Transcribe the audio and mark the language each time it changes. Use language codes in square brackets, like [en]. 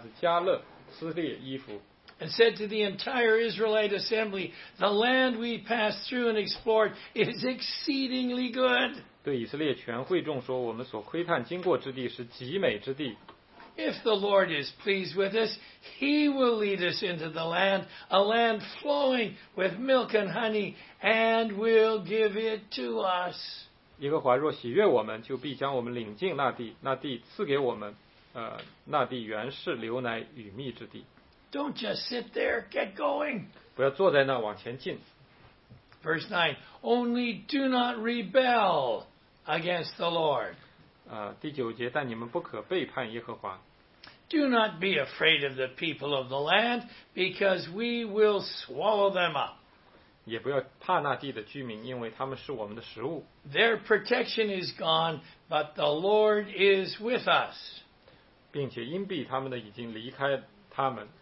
[zh] 窥探地的人中，嫩的儿子约书亚和耶夫尼的儿子加勒撕裂衣服。 [en] And said to the entire Israelite assembly, the land we passed through and explored is exceedingly good. [zh] 对以色列全会众说，我们所窥探经过之地是极美之地。 [en] If the Lord is pleased with us, He will lead us into the land, a land flowing with milk and honey, and will give it to us. [zh] 耶和华若喜悦我们，就必将我们领进那地，那地赐给我们，那地原是流奶与蜜之地。 [en] Don't just sit there, get going. [zh] 不要坐在那，往前进。 [en] Verse 9, only do not rebel against the Lord. [zh] 第九节，但你们不可背叛耶和华。 [en] Do not be afraid of the people of the land, because we will swallow them up. [zh] 也不要怕那地的居民，因为他们是我们的食物。 [en] Their protection is gone, but the Lord is with us. [zh] 并且因必他们的已经离开他们。